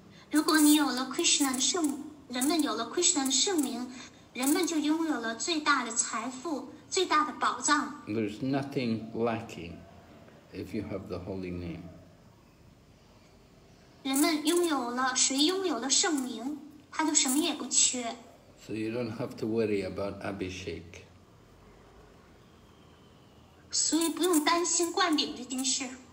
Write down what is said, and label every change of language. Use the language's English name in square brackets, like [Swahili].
[Chinese] 如果你有了 Krishna 的圣，人们有了 Krishna 的圣名，人们就拥有了最大的财富，最大的宝藏。 [English] There's nothing lacking if you have the holy name. [Chinese] 人们拥有了，谁拥有了圣名，他就什么也不缺。 [English] So you don't have to worry about Abhishek. [Chinese] 所以不用担心灌顶这件事。